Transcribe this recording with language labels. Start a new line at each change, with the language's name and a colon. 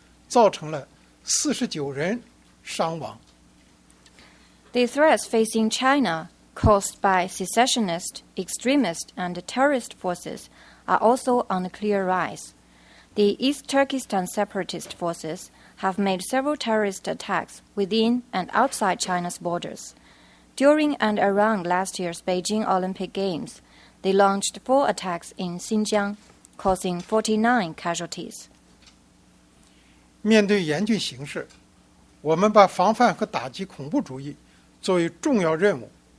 Chinese: 中国面临的分裂势力、极端势力、恐怖势力威胁也明显上升。东突恐怖势力多次在我境内外制造恐怖事件，去年北京奥运会期间，就在新疆制造了四起恐怖事件，造成了49人伤亡。
English: The threats facing China, caused by secessionist, extremist, and terrorist forces, are also on a clear rise. The East Turkestan separatist forces have made several terrorist attacks within and outside China's borders. During and around last year's Beijing Olympic Games, they launched 4 attacks in Xinjiang, causing 49 casualties.
Chinese: 面对严峻形势，我们把防范和打击恐怖主义作为重要任务。